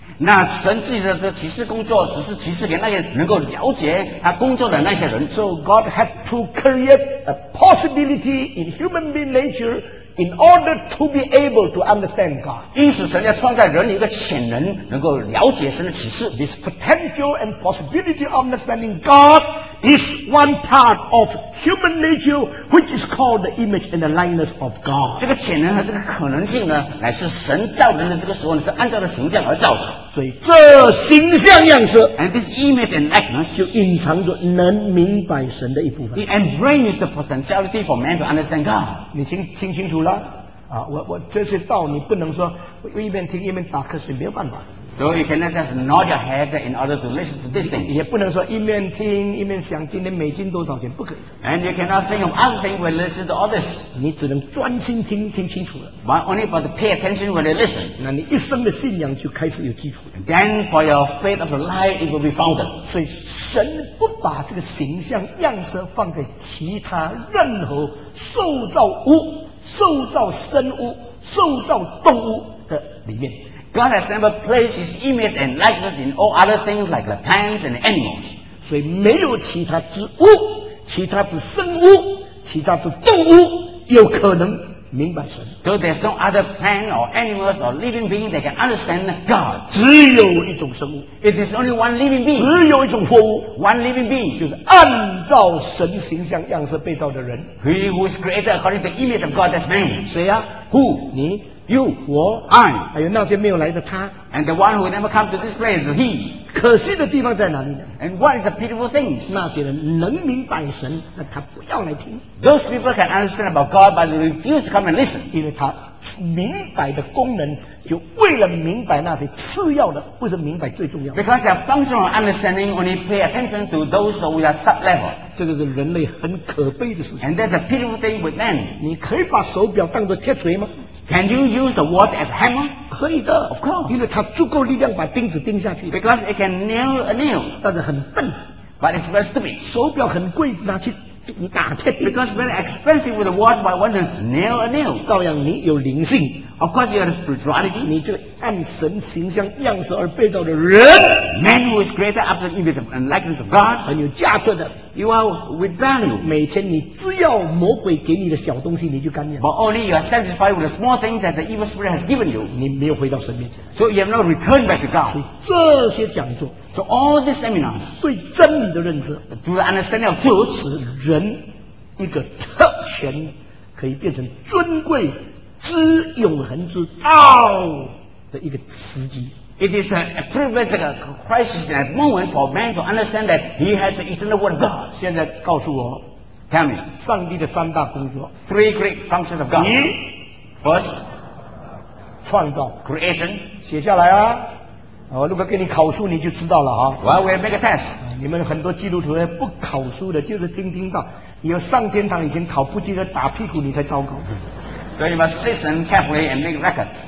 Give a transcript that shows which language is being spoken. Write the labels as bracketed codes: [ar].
[zh] 那神自己的启示工作只是启示给那些能够了解他工作的那些人。 [en] So God had to create a possibility in human being nature. In order to be able to understand God, [zh] 因此神要创造人一个潜能，能够了解神的启示。 [en] This potential and possibility of understanding God is one part of human nature, which is called the image and the likeness of God. [zh] 这个潜能和这个可能性呢，乃是神造人的这个时候呢，是按照的形象而造的。所以这形象样式 [en] ，and this image and likeness, [zh] 就隐藏着能明白神的一部分。 [en] The embrace is the potentiality for man to understand God. [zh] 你听清楚。啊、我这些道你不能说一边听一边打瞌睡，没有办法。 [en] So you cannot just nod your head in order to listen to this thing. [zh] 也不能说一面听一面想今天美金多少钱，不可以。 [en] And you cannot think of other things when listening to all this. [zh] 你只能专心听，听清楚了。 [en] But only but pay attention when you listen. [zh] 那你一生的信仰就开始有基础了。 [en] Then for your faith of life, it will be founded. [zh] 所以神不把这个形象样式放在其他任何受造物。受造生物、受造动物的里面 [en] ，God has never placed His image and likeness in all other things like the plants and animals. [zh] 所以没有其他之物、其他之生物、其他之动物有可能明白神。 [en] So there's no other plant or animals or living being that can understand God. [zh] 只有一种生物 [en] ，It is only one living being. [zh] 只有一种活物 [en] ，One living being [zh] 就是按照神形象样式被造的人。 [en] He who is created according to the image of God, that's man. [zh] 谁呀、啊、 [en] ？Who [zh] 你 [en] ？You [zh] 我 [en] ？I [zh] 还有那些没有来的他 [en] ？And the one who never come to this place, he. [zh] 可惜的地方在哪里呢 [en] ？And what is the pitiful thing? [zh] 那些人能明白神，那他不要来听。 [en] Those people can understand about God, but they refuse to come and listen. [zh] 因为他明白的功能，就为了明白那些次要的，不是明白最重要的。 [en] Because their function of understanding only pay attention to those who are sub level. [zh] 这个是人类很可悲的事情。 [en] And that's a pitiful thing with man. [zh] 你可以把手表当作铁锤吗？ [en] Can you use the watch as a hammer? [zh] 可以的 [en] ，of course. [zh] 因为它足够力量把钉子钉下去。 [en] Because it can nail a nail. [zh] 但是很笨 [en] ，but it's very stupid. [zh] 手表很贵，拿去打铁钉。 [en] Because very expensive with a watch, but want to nail a nail. [zh] 照样你有灵性 [en] ，of course you have spirituality. [zh] 你这个按神形象样式而被造的人 [en] ，man who is created after the image and likeness of God, [zh] 很有价值的。 [en] You are with value. [zh] 每天你只要魔鬼给你的小东西，你就甘愿。 [en] But only you are satisfied with the small things that the evil spirit has given you. [zh] 你没有回到神面前。 [en] So you have not returned back to God. [zh] 这些讲座 [en] ，So all these seminars [zh] 对真理的认识 [en] ，To the understanding of truth， [zh] 是人一个特权，可以变成尊贵之永恒之道的一个时机。 [en] It is a privilege, a crisis, a moment for man to understand that he has the eternal word of God. [zh] 现在告诉我 [en] ，Tell me, [zh] 上帝的三大工作 [en] ，three great functions of God. [zh] 一 [en] ，first， [zh] 创造 [en] ，creation， [zh] 写下来啊。我如果给你考书，你就知道了哈。 [en] Well, we make a test. [zh] 你们很多基督徒不考书的，就是听听到，有上天堂以前考不及格打屁股，你才糟糕。 [en] So you must listen carefully and make records.